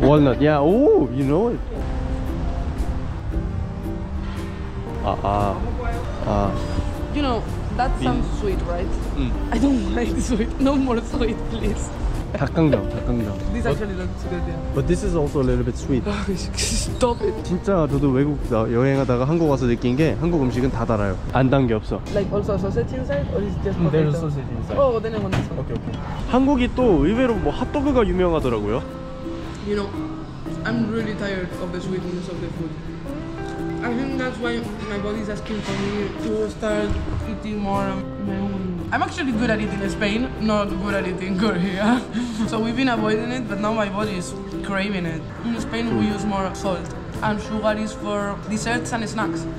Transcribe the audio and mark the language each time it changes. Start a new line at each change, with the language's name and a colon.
English: Walnut, yeah. Oh, you know it. You know, that sounds sweet, right? I don't like sweet. No more sweet, please.
Korean: 닭강정, 닭강정.
English: This actually looks good, yeah. But this is also a little bit sweet. Stop it.
Korean: 진짜 저도 외국 여행하다가 한국 와서 느낀 게 한국 음식은 다 달아요. 안 단 게 없어.
English: Like also a sausage inside or is it just potato? There's sausage inside. Oh, then I want this one. Okay, okay.
Korean: 한국이 또 의외로 뭐 핫도그가 유명하더라고요.
English: You know, I'm really tired of the sweetness of the food. I think that's why my body's asking for me to start eating more mayonnaise. I'm actually good at eating in Spain, not good at eating in Korea. So we've been avoiding it, but now my body is craving it. In Spain, we use more salt, and sugar is for desserts and snacks.